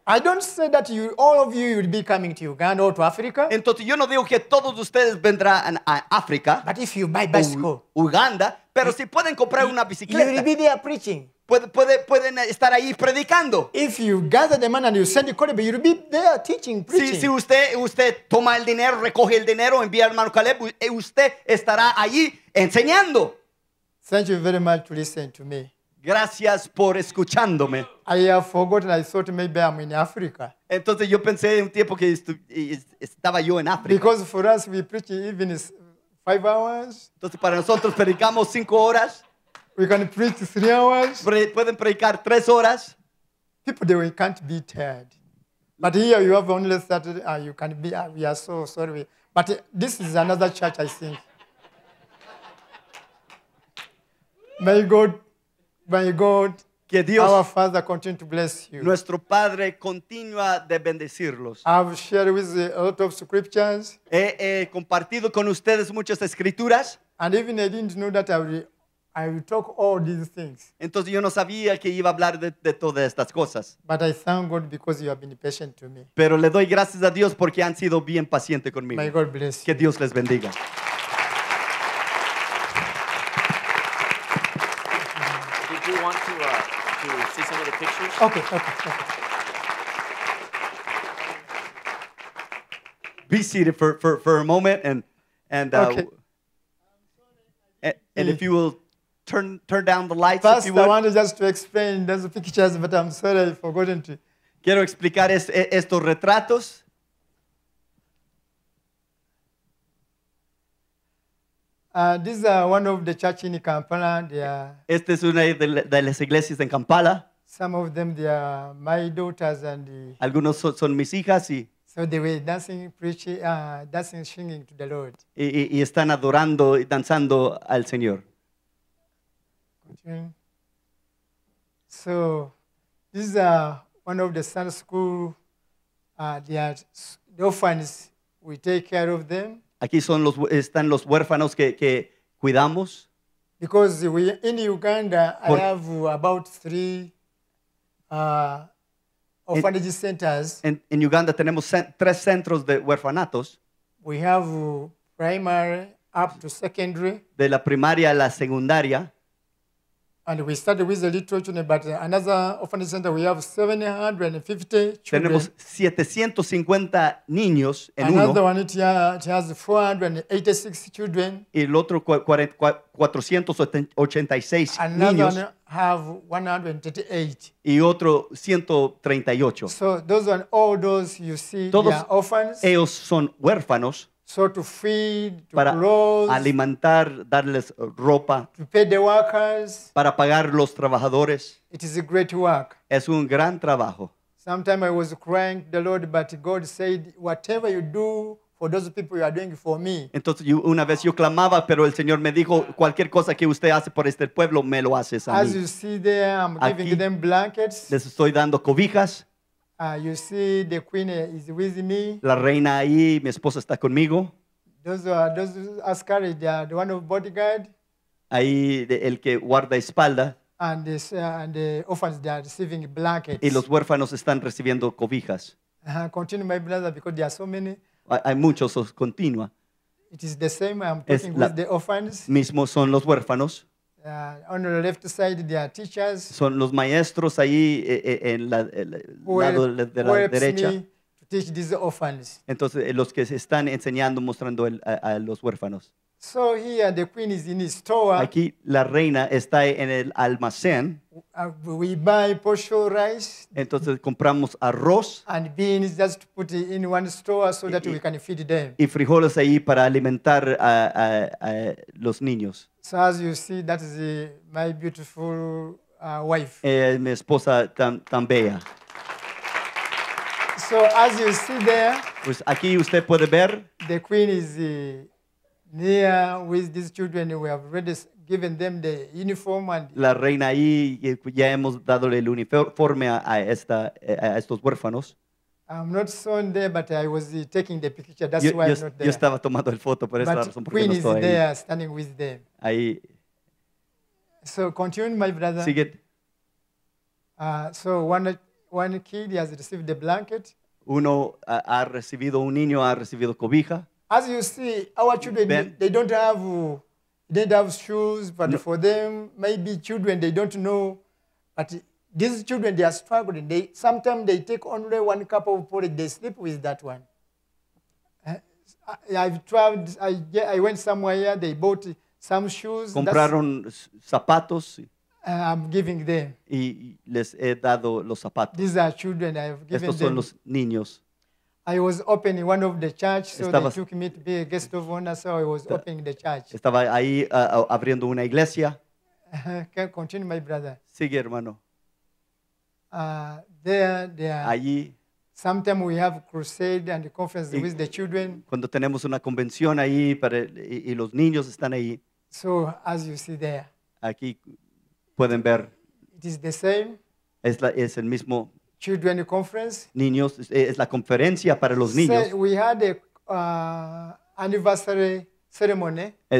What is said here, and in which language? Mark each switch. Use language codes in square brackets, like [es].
[en] I don't say that you all of you would be coming to Uganda or to Africa. [es] Entonces yo no digo que todos ustedes vendrán a África. [en] But if you buy bicycle, [es] Uganda, pero si pueden comprar una bicicleta. [en] You'll be there preaching. [es] Pueden estar ahí predicando. [en] If you gather the money and you send the Caleb, you'll be there teaching, preaching. [es] Si usted toma el dinero, recoge el dinero, envía al hermano Caleb, usted estará ahí enseñando. [en] Thank you very much to listen to me. [es] Gracias por escuchándome. [en] I have forgotten. I thought maybe I'm in Africa. [es] Entonces yo pensé un tiempo que estaba yo en África. [en] Because for us we preach even 5 hours. [es] Entonces para nosotros predicamos 5 horas. [en] We can preach 3 hours. [es] Pueden predicar 3 horas. [en] People, they can't be tired. But here you have only started. You can be. We are so sorry. But this is another church, I think. May God, [es] que Dios, [en] our Father, continue to bless you. [es] Nuestro Padre continúa de bendecirlos. [en] I've shared with you a lot of scriptures. [es] He compartido con ustedes muchas escrituras. [en] And even I didn't know that I will talk all these things. [es] Entonces yo no sabía que iba a hablar de todas estas cosas. [en] But I thank God because you have been patient to me. [es] Pero le doy gracias a Dios porque han sido bien pacientes conmigo. [en] May God bless [es] que [en] you. [es] Dios les bendiga. [en] Did you want to see some of the pictures? Okay. Be seated for a moment and if you will turn down the lights. First, if you want just to explain those pictures, but I'm sorry I forgot to. [es] Quiero explicar estos retratos. [en] These are one of the church in Kampala. They are. [es] Este es una de las iglesias en Kampala. [en] Some of them, they are my daughters and. [es] Algunos son mis hijas y. [en] So they were dancing, preaching, dancing, singing to the Lord. [es] Y están adorando y danzando al Señor. [en] So this is one of the Sunday school the orphans, we take care of them. [es] Aquí son los están los huérfanos que cuidamos. [en] Because we in Uganda I have about 3 orphanage centers. [es] En Uganda tenemos 3 centros de huérfanatos. [en] We have primary up to secondary. [es] De la primaria a la secundaria. [en] And we started with the little children, but another orphanage center, we have 750 children. [es] Tenemos 750 niños en [en] another [es] uno. [en] Another one, it has 486 children. [es] Y el otro, 486 [en] another [es] niños. [en] Another one have 138. [es] Y otro, 138. [en] So those are all those you see, [es] todos [en] they are orphans. [es] Ellos son huérfanos. [en] So to feed, to [es] para [en] clothes, [es] alimentar, darles ropa, [en] to pay the workers, [es] para pagar los trabajadores. [en] It is a great work. [es] Es un gran trabajo. [en] Sometimes I was crying to the Lord, but God said, whatever you do for those people, you are doing for me. [es] Entonces, una vez yo clamaba, pero el Señor me dijo, cualquier cosa que usted hace por este pueblo, me lo haces a mí. [en] As you see there, I'm [es] aquí [en] giving them blankets. [es] Les estoy dando cobijas. [en] You see the queen is with me. [es] La reina ahí, mi esposa está conmigo. [en] Those askari, the one of bodyguard. [es] Ahí el que guarda espalda. [en] And, this, and the orphans, they are receiving blankets. [es] Y los huérfanos están recibiendo cobijas. [en] Continue, my brother, because there are so many. [es] Hay muchos, continúa. [en] It is the same, I'm talking with the orphans. [es] Mismo son los huérfanos. [en] On the left side, there are teachers. [es] Son los maestros ahí en la lado de la derecha. [en] To teach these orphans. [es] Entonces los que están enseñando, mostrando a los huérfanos. [en] So here the queen is in his store. [es] Aquí la reina está en el almacén. [en] We buy posho rice. [es] Entonces compramos arroz. [en] And beans just to put in one store so that we can feed them. [es] Y frijoles ahí para alimentar a los niños. [en] So as you see, that is my beautiful wife. [es] Mi esposa tan bella. [en] So as you see there. [es] Pues aquí usted puede ver. [en] The queen is near with these children. We have already given them the uniform. And [es] la reina ahí, ya hemos dado el uniforme a estos huérfanos. [en] I'm not shown there, but I was taking the picture. That's why I'm not there. [es] Yo estaba tomando el foto, por esa razón, porque no estoy ahí. [en] But queen is there, standing with them. [es] Ahí. [en] So continue, my brother. [es] Sigue. [en] So one kid has received a blanket. [es] Uno ha recibido, un niño ha recibido cobija. [en] As you see, our children, they don't have shoes, but for them, maybe children, they don't know. But these children, they are struggling. Sometimes they take only one cup of porridge, they sleep with that one. I've traveled, I went somewhere, they bought some shoes. [es] Compraron zapatos. [en] I'm giving them. [es] Y les he dado los zapatos. [en] These are children I've given [es] estos son [en] them. [es] Los niños. [en] I was opening one of the church, so they took me to be a guest of honor, so I was opening the church. [es] Estaba ahí abriendo una iglesia. [en] Can continue, my brother. [es] Sigue, hermano. [en] There. [es] Allí. [en] Sometimes we have crusade and conference with the children. [es] Cuando tenemos una convención ahí para y los niños están ahí. [en] So, as you see there. [es] Aquí pueden ver. [en] It is the same. [es] Es el mismo. [en] Children conference. [es] Niños, es la conferencia para los niños. [en] We had a anniversary ceremony.